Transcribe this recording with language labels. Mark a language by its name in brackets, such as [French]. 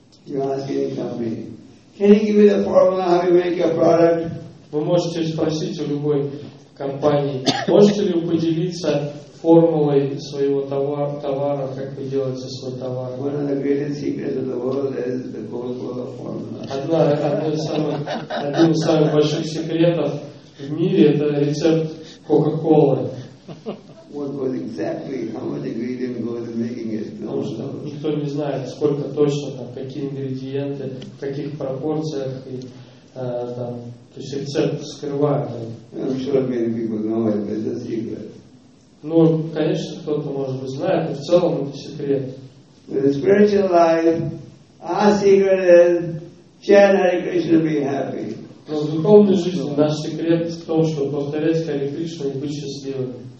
[English] Can you give me the formula how you make your product? [Russian] Вы можете спросить у любой компании, можете ли вы поделиться формулой своего товара, как вы делаете свой товар? [English] One of the greatest secrets of the world is the Coca-Cola formula. [Russian] Один из самых больших секретов в мире — это рецепт Coca-Cola. [English] What was exactly, how much ingredient goes in making it? [Russian] Потому что никто не знает, сколько точно, там, какие ингредиенты, в каких пропорциях, и там, то есть рецепт скрывают. [English] Sure many people know it, but it's a secret. [Russian] Ну, конечно, кто-то, может быть, знает, но в целом это секрет. [English] With the spiritual life, our secret is chant Hare Krishna, be happy. [Russian] Но в духовной жизни наш секрет в том, что повторять Хари Кришну и быть счастливым.